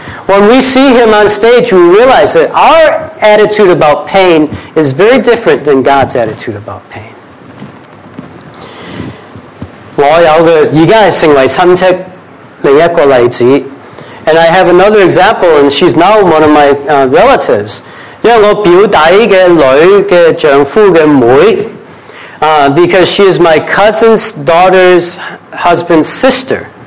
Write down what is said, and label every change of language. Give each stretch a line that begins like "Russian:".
English: When we see him on stage, we realize that our attitude about pain is very different than God's attitude about pain.
Chinese: 我有个现在成为亲戚另一个例子，
English: and I have another example, and she's now one of my relatives.
Chinese: 因为我表弟的女的丈夫的妹，
English: because she is my cousin's daughter's husband's sister.